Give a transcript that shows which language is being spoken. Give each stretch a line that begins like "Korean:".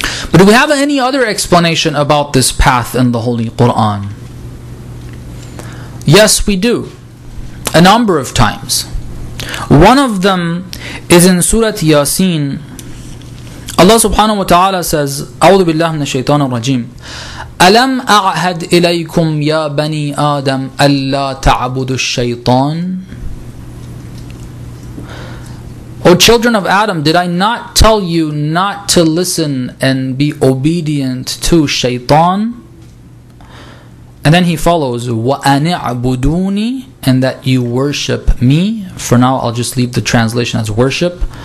English: But do we have any other explanation about this path in the Holy Quran? Yes, we do. A number of times. One of them is in Surah Yasin. Allah subhanahu wa ta'ala says,
Arabic: أعوذ بالله من الشيطان الرجيم. ألم أعهد إليكم يا بني آدم ألا تعبدوا الشيطان.
English: O children of Adam, did I not tell you not to listen and be obedient to Shaytan? And then he follows,
Arabic: وَأَنِ عَبُدُونِ,
English: and that you worship me. For now, I'll just leave the translation as worship.